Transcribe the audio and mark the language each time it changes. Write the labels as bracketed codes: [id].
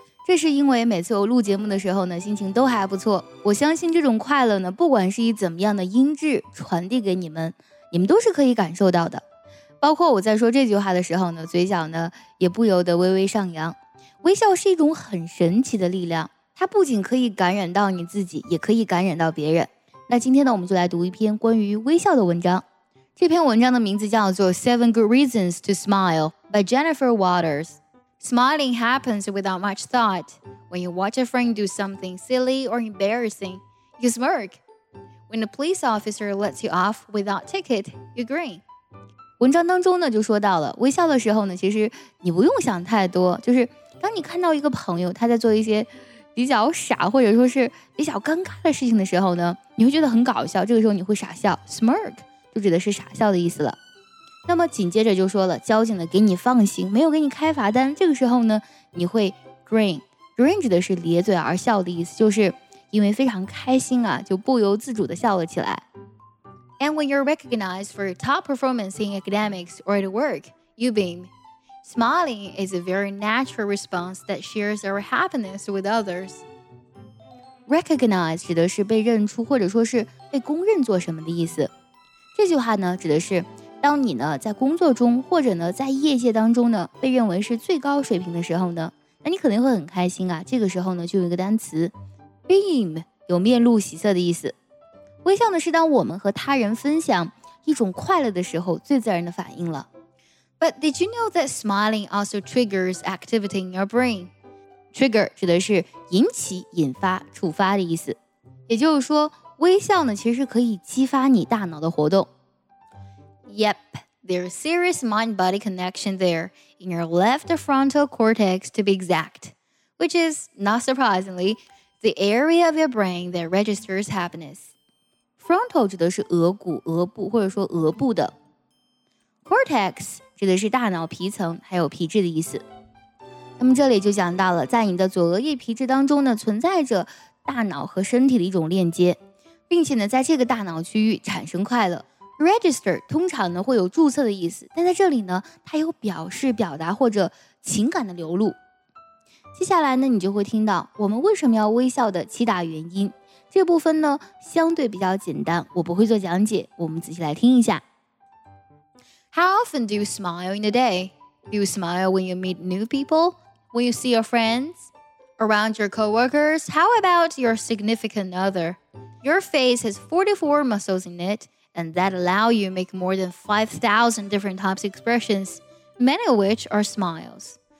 [zh] 这是因为每次我录节目的时候呢，心情都还不错。我相信这种快乐呢，不管是以怎么样的音质传递给你们，你们都是可以感受到的。包括我在说这句话的时候呢，嘴角呢也不由得微微上扬。微笑是一种很神奇的力量，它不仅可以感染到你自己，也可以感染到别人。那今天呢，我们就来读一篇关于微笑的文章。这篇文章的名字叫做 Seven Good Reasons to Smile by Jennifer Waters。 [en] Smiling happens without much thought. When you watch a friend do something silly or embarrassing, you smirk. When a police officer lets you off without ticket, you grin. [zh] 文章当中呢就说到了，微笑的时候呢，其实你不用想太多，就是当你看到一个朋友他在做一些比较傻或者说是比较尴尬的事情的时候呢，你会觉得很搞笑，这个时候你会傻笑， smirk 就指的是傻笑的意思了。那么紧接着就说了，交警呢给你放行，没有给你开罚单，这个时候呢你会 grin， grin 指的是咧嘴而笑的意思，就是因为非常开心啊，就不由自主的笑了起来。 [en] And when you're recognized for top performance in academics or at work, you beam. Smiling is a very natural response that shares our happiness with others. [zh] Recognize 指的是被认出或者说是被公认做什么的意思。这句话呢指的是当你呢在工作中或者呢在业界当中呢被认为是最高水平的时候呢，那你肯定会很开心啊。这个时候呢就有一个单词 beam， 有面露喜色的意思。微笑呢是当我们和他人分享一种快乐的时候最自然的反应了。 [en] But did you know that smiling also triggers activity in your brain? [zh] Trigger 指的是引起、引发、触发的意思。也就是说，微笑呢，其实可以激发你大脑的活动。 [en] Yep, there's serious mind-body connection there in your left frontal cortex to be exact, which is, not surprisingly, the area of your brain that registers happiness. [zh] Frontal 指的是额骨、额部或者说额部的。Cortex指的是大脑皮层还有皮质的意思。那么这里就讲到了在你的左额叶皮质当中呢存在着大脑和身体的一种链接，并且呢在这个大脑区域产生快乐。 Register 通常呢会有注册的意思，但在这里呢它有表示表达或者情感的流露。接下来呢你就会听到我们为什么要微笑的七大原因，这部分呢相对比较简单，我不会做讲解，我们仔细来听一下。 [en] How often do you smile in a day? Do you smile when you meet new people? When you see your friends? Around your coworkers? How about your significant other? Your face has 44 muscles in it, and that allow you to make more than 5,000 different types of expressions, many of which are smiles.